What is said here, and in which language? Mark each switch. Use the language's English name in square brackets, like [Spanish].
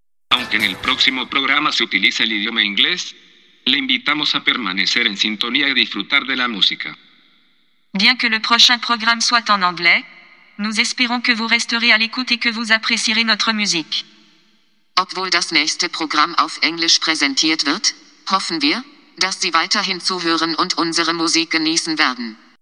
[Spanish] Aunque en el próximo programa se utiliza el idioma inglés, le invitamos a permanecer en sintonía y disfrutar de la música. [French] Bien que le prochain programme soit en anglais, nous espérons que vous resterez à l'écoute et que vous apprécierez notre musique. [German] Obwohl das nächste Programm auf Englisch präsentiert wird, hoffen wir, dass Sie weiterhin zuhören und unsere Musik genießen werden.